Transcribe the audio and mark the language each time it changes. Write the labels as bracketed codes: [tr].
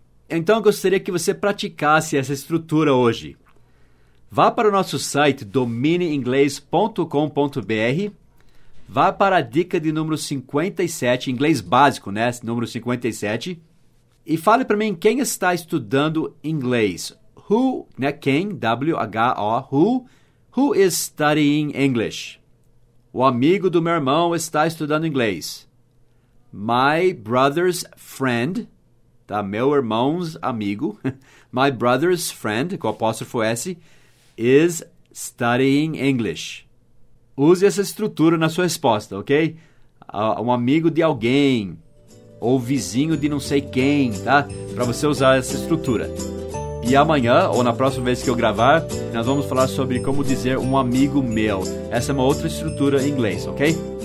[pt] Então, eu gostaria que você praticasse essa estrutura hoje. Vá para o nosso site, domineinglês.com.br. Vá para a dica de número 57, inglês básico, né? Número 57. E fale para mim quem está estudando inglês. [en] Who, né? [pt] Quem, [en] W-H-O, who is studying English? [pt] O amigo do meu irmão está estudando inglês. [en] My brother's friend, [pt] tá? Meu irmão's amigo. [en] My brother's friend, [pt] com apóstrofo S, [en] is studying English. [pt] Use essa estrutura na sua resposta, ok? Um amigo de alguém, ou vizinho de não sei quem, tá? Para você usar essa estrutura. E amanhã, ou na próxima vez que eu gravar, nós vamos falar sobre como dizer um amigo meu. Essa é uma outra estrutura em inglês, ok?